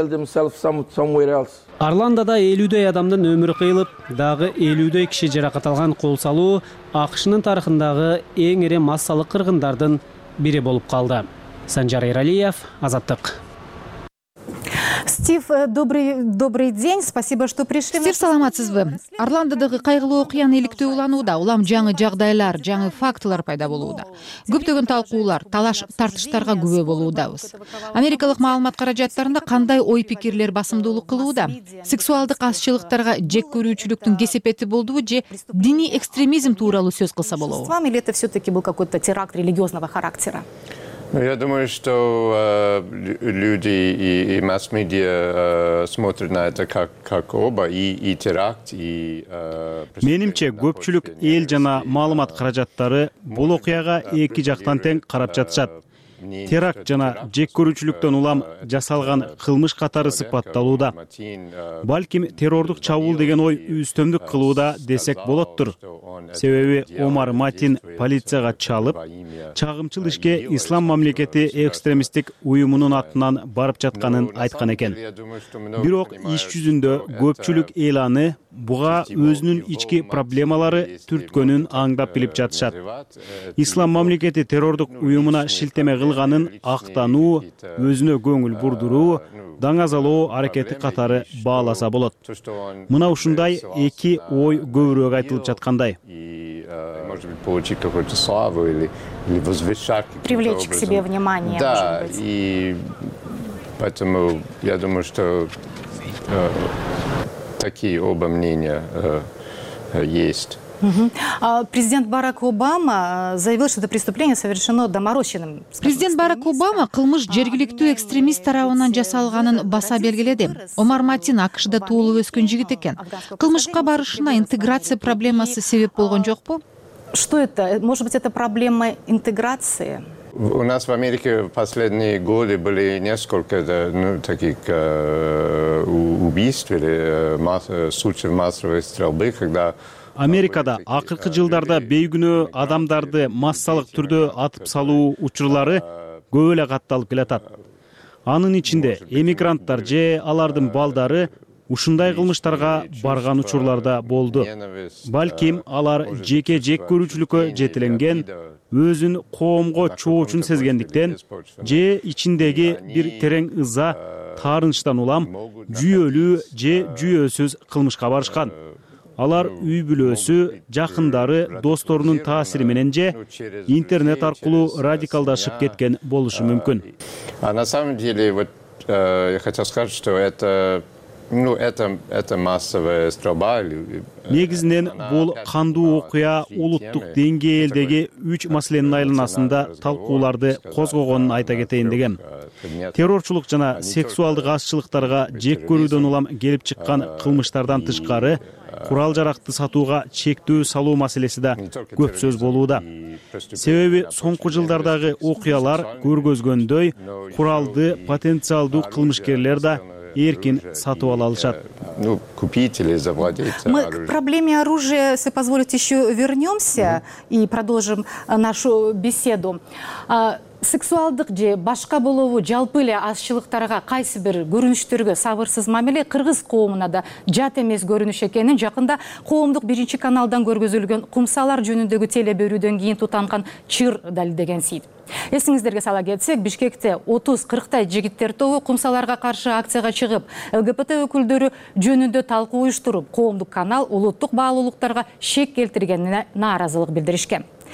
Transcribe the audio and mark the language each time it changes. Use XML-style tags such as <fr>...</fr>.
<ky>Арландада 50 адамдын өмүрү кыйылып, дагы 50 киши жаракат алган кол салуу АКШнын тарыхындагы эң эре массалык кыргындардын бири болуп калды. Санжар Эралиев, Азаттык.</ky> <ru>Стив, добрый день, спасибо, что пришли.</ru> <ky>Стив, саламатсызбы. Арландыдагы кайгылуу окуяны иликтөө уланууда, улам жаңы жагдайлар, жаңы фактылар пайда болууда. Көптөгөн талкуулар, талаш тартыштарга күбө болуудабыз. Америкалык маалымат каражаттарында кандай ой-пикирлер басымдуулук кылууда? Сексуалдык азчылыктарга жек көрүүчүлүктүн кесепети болдубу же диний экстремизм тууралуу сөз кылса болобу?</ky> <ru>С вами ли это все-таки был какой-то теракт религиозного характера? Я думаю, что люди и масс-медиа смотрят на это как оба, и теракт, и...</ru> <ky>Менимче, көпчүлүк эл жана маалымат каражаттары бул окуяга эки жактан тең карап жатышат. Теракт жана жек көрүүчүлүктөн улам жасалган кылмыш катары сыпатталууда. Балким террордук чабуул деген ой үстөмдүк кылууда десек болоттур. Себеби Омар Матин полицияга чалып, чагымчыл ишке ислам мамлекети экстремисттик уюмунун атынан барып жатканын айткан экен. Бирок иш жүзүндө көпчүлүк эл аны буга өзүнүн ички проблемалары түрткөнүн аңдап билип жатышат. Ислам мамлекети террордук уюмуна шилтеме кылганын актануу, өзүнө көңүл бурдуруу, даңазалоо аракети катары бааласа болот. Мына ушундай эки ой көбүрөөк айтылып жаткандай.</ky> <ru>Может быть, получить какую-то славу или возвышать. Привлечь к себе внимание. Да, и поэтому я думаю, что такие оба мнения есть. Президент Барак Обама заявил, что это преступление совершено доморощенным.</ru> <ky>Президент Барак Обама кылмыш жергиликтүү экстремист тарабынан жасалганын баса белгиледи. Омар Матин АКШда туулуп өскөн жигит экен. Кылмышка барышына интеграция проблемасы себеп болгон жокпу?</ky> <ru>Что это? Может быть, это проблема интеграции? У нас в Америке в последние годы были несколько таких убийств или случаев массовой стрельбы, когда...</ru> <ky>Америкада акыркы жылдарда бейгүнө адамдарды массалык түрдө атып салуу учурлары көп эле катталып келатат. Анын ичинде эмигранттар же алардын балдары ушундай кылмыштарга барган учурлар да болду. Балким алар жеке жек көрүүчүлүккө жетиленген, өзүн коомго чоочун сезгендиктен же ичиндеги бир терең ыза, таарынычтан улам жүйөлүү же жүйөсүз кылмышка барышкан. Алар үй-бүлөсү, жакындары, досторунун таасири менен же интернет аркылуу радикалдашып кеткен болушу мүмкүн.</ky> <ru>А на самом деле, вот я хотел сказать, что это массовая стрельба.</ru> <ky>Негизинен бул кандуу окуя улуттук деңгээлдеги 3 маселенин айланасында талкууларды козгогонун айта кетейин дегем. Террорчулук жана сексуалдык азчылыктарга жек көрүүдөн улам келип чыккан кылмыштардан тышкары курал жаракты сатууга чектөө салуу маселеси да көп сөз болууда. Себеби соңку жылдардагы окуялар көргөзгөндөй куралды потенциалдуу кылмышкерлер да эркин сатып ала алышат.</ky> <ru>Ну, купить или завладеть оружием. Мы к проблеме оружия, если позволите, еще вернемся и продолжим нашу беседу.</ru> <ky>Сексуалдык же башка болобу жалпы эле азчылыктарга кайсы бир көрүнүштөргө сабырсыз мамиле кыргыз коомуна да жат эмес көрүнүш экенин жакында коомдук биринчи каналдан көргөзүлгөн кумсалар жөнүндөгү телеберүүдөн кийин тутанган чыр далилдеген сейт. Эсиңиздерге сала кетсек, Бишкекте 30-40 жигиттер тобу кумсаларга каршы акцияга чыгып, ЛГБТ өкүлдөрү жөнүндө талкуу уюштуруп, коомдук канал улуттук баалуулуктарга шек келтиргенине нааразылык билдиришкен.</ky>